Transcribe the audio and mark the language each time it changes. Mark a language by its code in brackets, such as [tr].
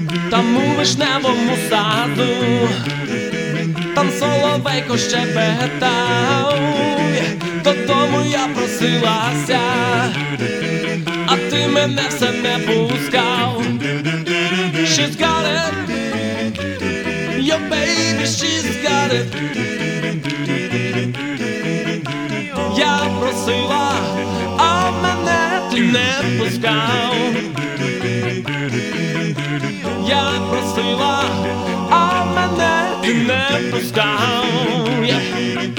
[uk] Там у вишневому саду, там соловейко щебетав. Додому я просилася, а ти мене все не пускав. [en] She's got it, your baby, she's got it. [uk] Я просила, а мене ти не пускав. Я просила, а мене ти не пускав.